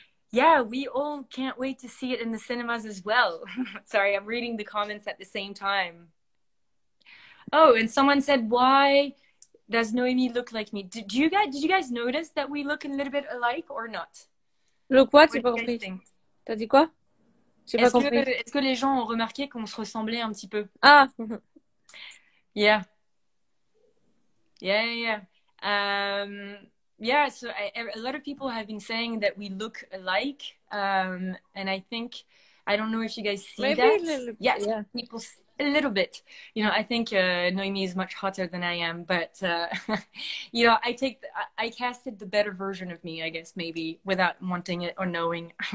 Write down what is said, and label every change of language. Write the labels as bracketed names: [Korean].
[English] Yeah, we all can't wait to see it in the cinemas as well. Sorry, I'm reading the comments at the same time. Oh, and someone said, why does Noemie look like me? Did you guys notice that we look a little bit alike or not? Look what? What do you guys think? [French] T'as dit quoi? J'ai pas compris. Est-ce que les gens ont remarqué qu'on se ressemblait un petit peu? Ah! [English] Yeah. Yeah, so a lot of people have been saying that we look alike. And I think, I don't know if you guys see maybe that. Yes, people a little bit. You know, I think Noemie is much hotter than I am. But, you know, I casted the better version of me, I guess, maybe, without wanting it or knowing.